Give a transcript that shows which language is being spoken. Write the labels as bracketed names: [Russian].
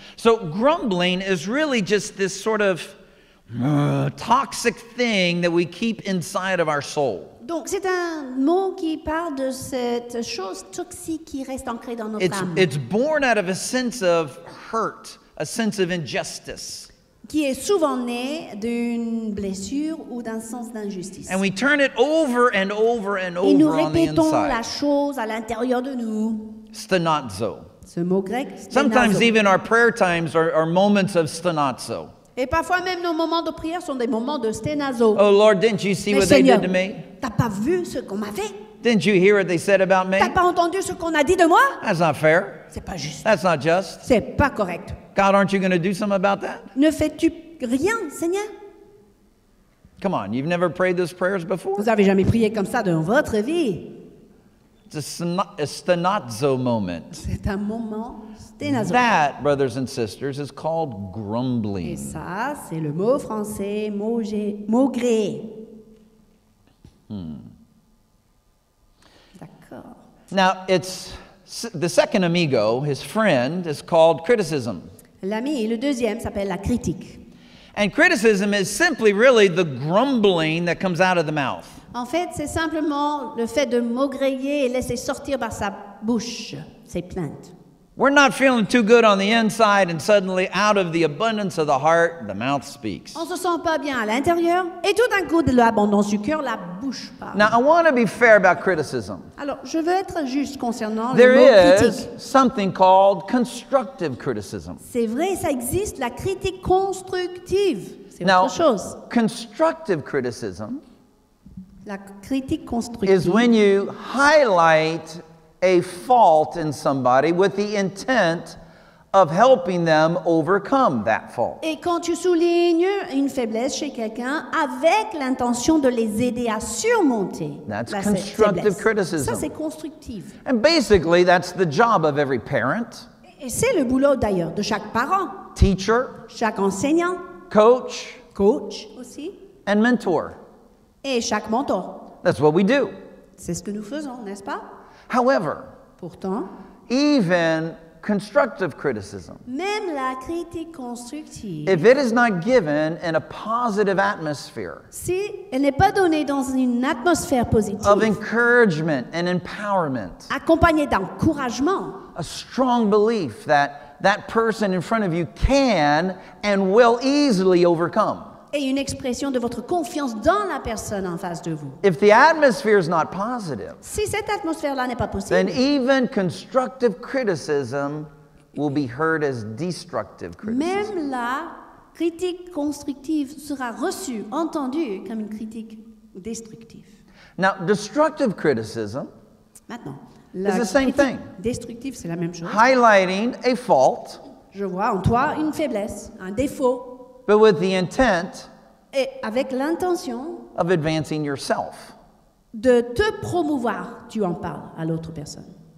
[English] So grumbling is really just this sort of toxic thing that we keep inside of our soul. [French] Donc c'est un mot qui parle de cette chose toxique qui reste ancrée dans notre âme. [English] It's born out of a sense of hurt, a sense of injustice. [French] Qui est souvent né d'une blessure ou d'un sens d'injustice. [English] And we turn it over and over and over. [French] Et nous répétons la chose à l'intérieur de nous. [English] Stenazo. [French] Ce mot grec, stenazo. [English] Sometimes even our prayer times are moments of stenazo. [French] Et parfois même nos moments de prière sont des moments de stenazo. [English] Oh Lord, didn't you see [French] Mais [English] what [French] Seigneur, [English] they did to me? [French] T'as pas vu ce qu'on m'a fait? [English] Didn't you hear what they said about me? [French] T'as pas entendu ce qu'on a dit de moi? [English] That's not fair. [French] C'est pas juste. [English] That's not just. [French] C'est pas correct. [English] God, aren't you going to do something about that? [French] Ne fais-tu rien, Seigneur? [English] Come on, you've never prayed those prayers before? [French] Vous avez jamais prié comme ça dans votre vie? [English] It's a stenazo moment. [French] C'est un moment stenazo. [English] That, brothers and sisters, is called grumbling. [French] Et ça, c'est le mot français maugréer. D'accord. [English] Now, it's the second amigo, his friend, is called criticism. [French] L'ami, le deuxième, s'appelle la critique. [English] And criticism is simply really the grumbling that comes out of the mouth. [French] En fait, c'est simplement le fait de maugréer et laisser sortir par sa bouche ses plaintes. [English] We're not feeling too good on the inside and suddenly out of the abundance of the heart, the mouth speaks. [French] On se sent pas bien à l'intérieur et tout d'un coup, de l'abondance du cœur, la bouche parle. [English] Now, I want to be fair about criticism. [French] Alors, je veux être juste concernant [English] There [French] le mot critique. [English] There is something called constructive criticism. [French] C'est vrai, ça existe, la critique constructive. C'est [English] Now, [French] autre chose. [English] Now, constructive criticism [French] la critique constructive. [English] Is when you highlight a fault in somebody with the intent of helping them overcome that fault. [French] Et quand tu soulignes une faiblesse chez quelqu'un avec l'intention de les aider à surmonter [English] That's constructive criticism. [French] Ça, c'est constructif. [English] And basically, that's the job of every parent. [French] Et c'est le boulot d'ailleurs de chaque parent. [English] Teacher. [French] Chaque enseignant. [English] Coach. [French] Coach aussi. [English] And mentor. [French] Et chaque mentor. [English] That's what we do. [French] C'est ce que nous faisons, n'est-ce pas? [English] However, [French] Pourtant, [English] even constructive criticism. [French] Même la critique constructive, [English] if it is not given in a positive atmosphere, [French] si elle n'est pas donnée dans une atmosphère positive, [English] of encouragement and empowerment, [French] accompagnée d'encouragement, [English] a strong belief that that person in front of you can and will easily overcome. [French] Et une expression de votre confiance dans la personne en face de vous. [English] If the atmosphere is not positive, [French] si cette atmosphère-là n'est pas positive, [English] then even constructive criticism will be heard as destructive criticism. [French] Même la critique constructive sera reçue, entendue comme une critique destructive. [English] Now, destructive criticism [French] maintenant, [English] is the same thing. [French] Destructive, c'est la même chose. [English] Highlighting a fault. [French] Je vois en toi une faiblesse, un défaut. [English] But with the intent [French] et avec l'intention [English] of advancing yourself. [French] De te promouvoir, tu en parles à l'autre personne.